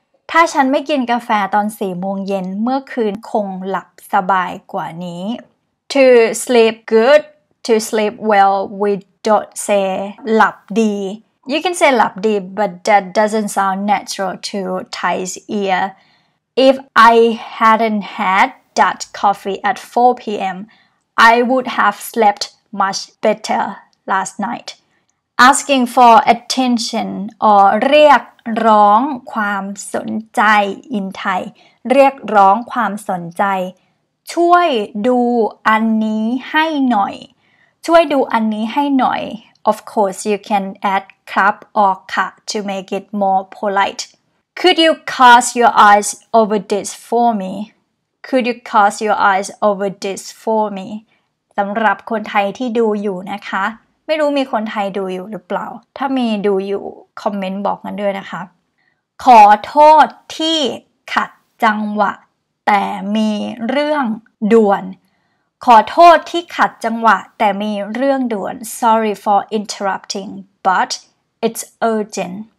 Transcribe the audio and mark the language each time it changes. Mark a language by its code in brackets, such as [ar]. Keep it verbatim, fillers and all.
[th] ถ้าฉันไม่กินกาแฟตอนสี่โมงเย็นเมื่อคืนคงหลับสบายกว่านี้ [en] To sleep good, to sleep well, we don't say หลับดี You can say หลับดี but that doesn't sound natural to Thai's ear. If I hadn't had that coffee at four p.m. I would have slept much better last night. Asking for attention or เรียกร้องความสนใจ in Thai [th] เรียกร้องความสนใจช่วยดูอันนี้ให้หน่อยช่วยดูอันนี้ให้หน่อย [en] Of course you can add ครับ or ค่ะ to make it more polite. Could you cast your eyes over this for me? Could you cast your eyes over this for me? [th] สำหรับคนไทยที่ดูอยู่นะคะไม่รู้มีคนไทยดูอยู่หรือเปล่าถ้ามีดูอยู่คอมเมนต์บอกกันด้วยนะคะขอโทษที่ขัดจังหวะแต่มีเรื่องด่วนขอโทษที่ขัดจังหวะแต่มีเรื่องด่วน [en] Sorry for interrupting but it's urgent